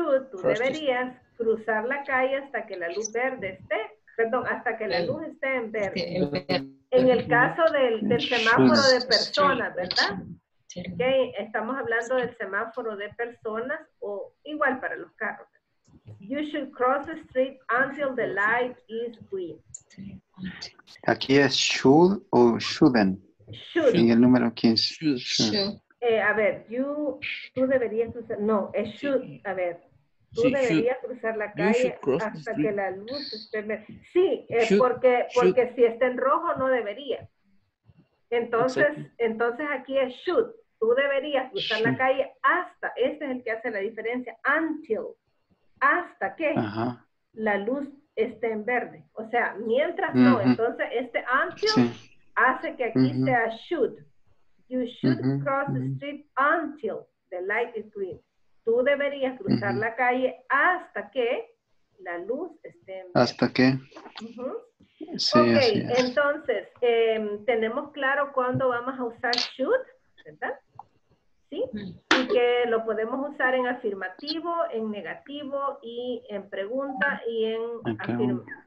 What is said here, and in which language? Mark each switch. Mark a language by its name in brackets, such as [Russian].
[Spanish] Tú deberías cruzar la calle hasta que la luz verde esté, perdón, hasta que la luz esté en verde. En el caso del semáforo de personas, ¿verdad? Okay, estamos hablando del semáforo de personas o igual para los carros. [English] You should cross the street until the light is green. [Spanish] Aquí es should o shouldn't. [English] Should. [Spanish] En el número 15. [English] Should. [Spanish] A ver, tú deberías cruzar, no, es should, a ver, tú deberías cruzar la calle hasta que la luz esté en verde. Sí, porque si está en rojo no debería. Entonces aquí es should, tú deberías cruzar la calle hasta, este es el que hace la diferencia, until, hasta que la luz esté en verde. O sea, mientras no, entonces este until hace que aquí sea should. [English] You should cross the street until the light is green. [Spanish] Tú deberías cruzar la calle hasta que la luz esté en... ¿Hasta qué? Sí, ok, así es. Entonces, ¿tenemos claro cuándo vamos a usar should? ¿Verdad? ¿Sí? Y que lo podemos usar en afirmativo, en negativo, y en pregunta, y en,